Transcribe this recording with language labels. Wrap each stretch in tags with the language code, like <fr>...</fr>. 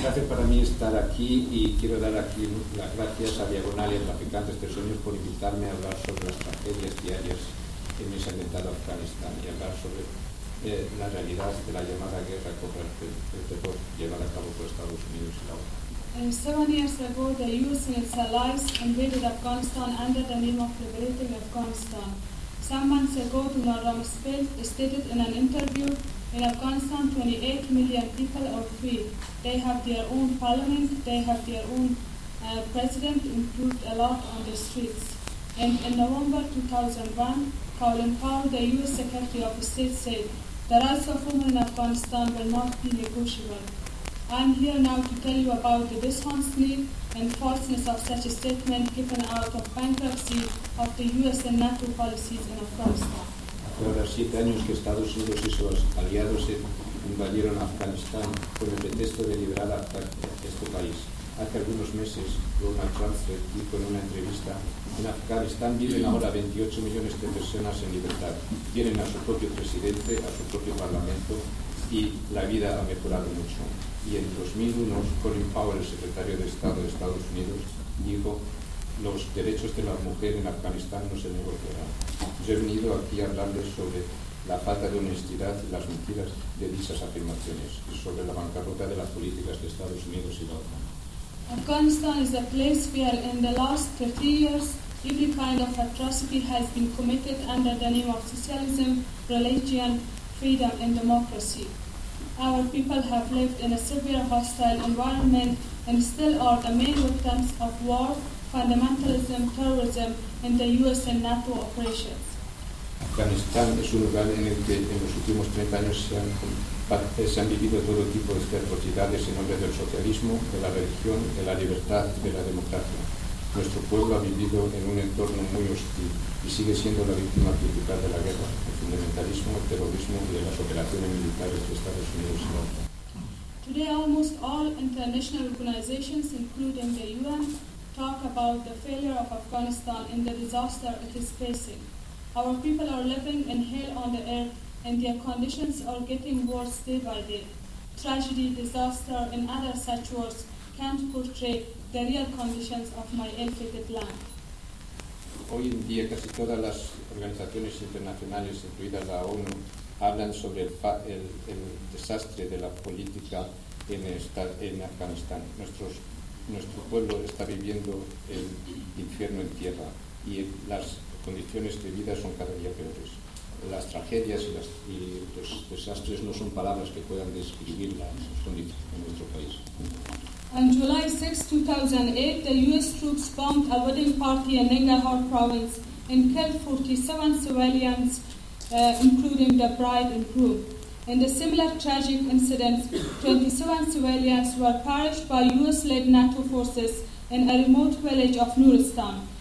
<es>Gracias, para mí estar aquí, y quiero dar aquí las gracias a Diagonal y a Traficantes de Sueños por invitarme a hablar sobre las tragedias diarias que me han enfrentado a Afganistán y hablar sobre la realidad de la llamada guerra contra el terror llevada a cabo por Estados Unidos y la OTAN.</es> <en>7 years ago, the US and its allies invaded Afghanistan under the name of Liberating Afghanistan. Some months ago, Donald Rumsfeld stated in an interview, in Afghanistan, 28 million people are free. They have their own parliament, they have their own president, improved a lot on the streets. And in November 2001, Colin Powell, the US Secretary of State, said, the rights of women in Afghanistan will not be negotiable. I'm here now to tell you about the dishonesty and falseness of such a statement given out of bankruptcy of the US and NATO policies in Afghanistan.</en> <es>Ahora, 7 años que Estados Unidos y sus aliados invadieron Afganistán con el pretexto de liberar a este país. Hace algunos meses, Donald Trump dijo en una entrevista: en Afganistán viven ahora 28 millones de personas en libertad. Tienen a su propio presidente, a su propio parlamento, y la vida ha mejorado mucho. Y en 2001, Colin Powell, el secretario de Estado de Estados Unidos, dijo: los derechos de la mujer en Afganistán no se negociarán. Yo he venido aquí a hablarles sobre la falta de honestidad y las mentiras de dichas afirmaciones, y sobre la bancarrota de las políticas de Estados Unidos y la OTAN.</es> <en>Afghanistan is a place where in the last 30 years every kind of atrocity has been committed under the name of socialism, religion, freedom and democracy. Our people have lived in a severe hostile environment and still are the main victims of war, fundamentalism, terrorism, and the US and NATO operations.</en> <es>Afganistán es un lugar en el que en los últimos 30 años se han vivido todo tipo de atrocidades en nombre del socialismo, de la religión, de la libertad y de la democracia. Nuestro pueblo ha vivido en un entorno muy hostil y sigue siendo la víctima principal de la guerra, el fundamentalismo, el terrorismo y de las operaciones militares de Estados Unidos y la OTAN.</es> <en>Today almost all international organizations, including the UN, talk about the failure of Afghanistan and the disaster it is facing. Our people are living in hell on the earth, and their conditions are getting worse day by day. Tragedy, disaster, and other such words can't portray the real conditions of my ill-fated land.</en> <es>Hoy en día, casi todas las organizaciones internacionales, incluida la ONU, hablan sobre el desastre de la política en Afganistán. Nuestro pueblo está viviendo el infierno en tierra, y las condiciones de vida son cada día peores. Las tragedias y los desastres no son palabras que puedan describir las condiciones en nuestro país.</es> <en>On July 6, 2008, the U.S. troops bombed a wedding party in Nangarhar province and killed 47 civilians, including the bride and groom. In the similar tragic incidents, 27 civilians were perished by U.S.-led NATO forces in a remote village of Nuristan.</en>